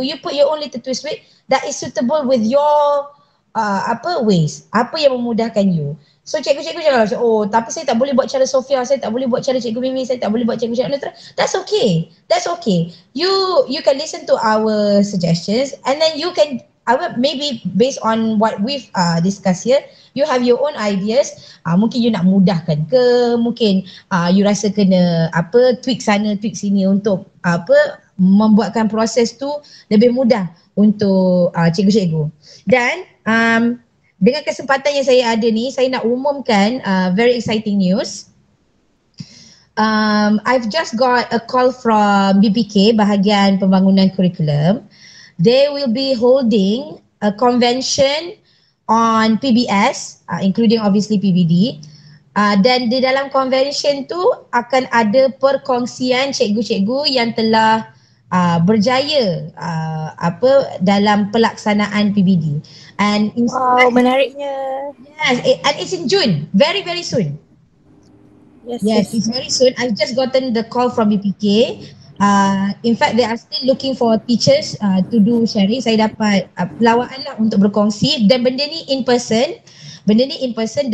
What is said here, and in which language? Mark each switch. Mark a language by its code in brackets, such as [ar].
[en] You put your own little twist to it that is suitable with your ways, [ms] apa yang memudahkan [en] you. [ms] So cikgu-cikgu jangan macam, oh tapi saya tak boleh buat cara Soffea, saya tak boleh buat cara Cikgu Mimi, saya tak boleh buat cara Cikgu Anuthra. [en] That's okay, that's okay. You can listen to our suggestions and then you can, maybe based on what we've discussed here, you have your own ideas. [ms] Mungkin you nak mudahkan ke, mungkin you rasa kena tweak sana, tweak sini untuk membuatkan proses tu lebih mudah untuk cikgu-cikgu. Dan dengan kesempatan yang saya ada ni, saya nak umumkan [en] very exciting news. I've just got a call from BPK, bahagian pembangunan kurikulum. They will be holding a convention on PBS, including obviously PBD. [ms] Dan di dalam convention tu akan ada perkongsian cikgu-cikgu yang telah berjaya dalam pelaksanaan PBD. [en] And [ms] wow, menariknya. [en] Yes, and it's in June, very very soon. Yes, it's very soon. I've just gotten the call from BPK. In fact, they are still looking for teachers to do sharing. [ms] Saya dapat pelawaan lah untuk berkongsi. Dan benda ni in person. Benda ni in person.